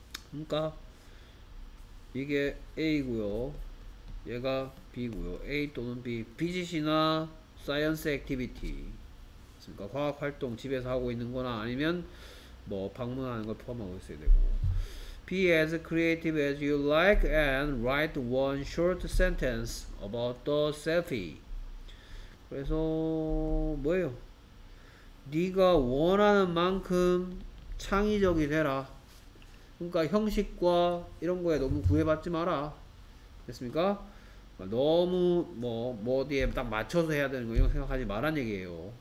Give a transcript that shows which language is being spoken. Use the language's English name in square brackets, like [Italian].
[Korean] 그러니까 이게 A고요. 얘가 B고요. A 또는 B. Visit이나 science activity. 그러니까 과학 활동 집에서 하고 있는 거나 아니면 뭐 방문하는 걸 포함하고 있어야 되고. [English] Be as creative as you like and write one short sentence about the selfie. [Korean] 그래서 뭐예요? 네가 원하는 만큼 창의적이 되라. 그러니까 형식과 이런 거에 너무 구애받지 마라. 됐습니까? 너무 뭐 어디에 딱 맞춰서 해야 되는 거 이런 거 생각하지 말란 얘기예요.